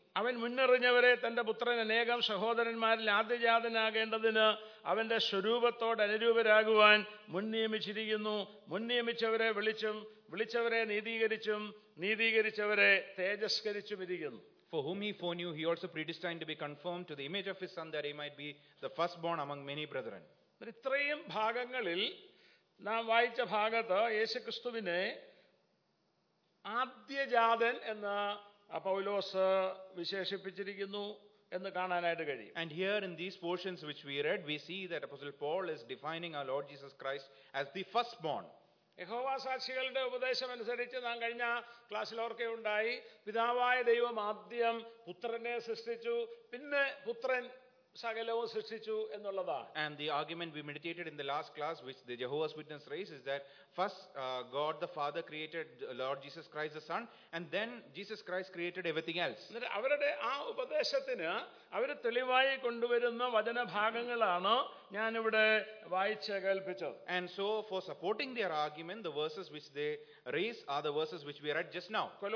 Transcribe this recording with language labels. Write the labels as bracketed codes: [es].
[ml] അവൻ മുന്നറിഞ്ഞവരെ തന്റെ പുത്രൻ അനേകം സഹോദരന്മാരിൽ ആദ്യജാതനാകേണ്ടതിന് അവന്റെ സ്വരൂപത്തോട് അനുരൂപരാകുവാൻ മുൻനിയമിച്ചിരിക്കുന്നു. മുൻനിയമിച്ചവരെ വിളിച്ചും വിളിച്ചവരെ നീതീകരിച്ചും നീതീകരിച്ചവരെ തേജസ്കരിച്ചും ഇരിക്കുന്നു. [en] For whom he foreknew, he also predestined to be conformed to the image of his son, that he might be the firstborn among many brethren. [ml] ഇത്രയും ഭാഗങ്ങളിൽ നാം വായിച്ച ഭാഗത്ത് യേശുക്രിസ്തുവിനെ ആദ്യജാതൻ എന്ന് പൗലോസ് വിശേഷിപ്പിച്ചിരിക്കുന്നു എന്ന് കാണാനായിട്ട് കഴിയും. [en] And here in these portions which we read, we see that Apostle Paul is defining our Lord Jesus Christ as the firstborn. [ml] യഹോവ സാക്ഷികളുടെ ഉപദേശം അനുസരിച്ച് നാം കഴിഞ്ഞ ക്ലാസ്സിൽ ഓർക്കുകയുണ്ടായി, പിതാവായ ദൈവം ആദ്യം പുത്രനെ സൃഷ്ടിച്ചു, പിന്നെ പുത്രൻ സകലവും സൃഷ്ടിച്ചു എന്നുള്ളതാണ്. [en] And the argument we meditated in the last class, which the Jehovah's Witness raised, is that first God the Father created Lord Jesus Christ the Son, and then Jesus Christ created everything else. [ml] അവരുടെ ആ ഉപദേശത്തിന് അവർ തെളിവായി കൊണ്ടുവരുന്ന വചനഭാഗങ്ങളാണ് ഞാൻ ഇവിടെ വായിച്ച് കേൾപ്പിച്ചത്. [en] And so for supporting their argument, the verses which they raise are the verses which we read just now.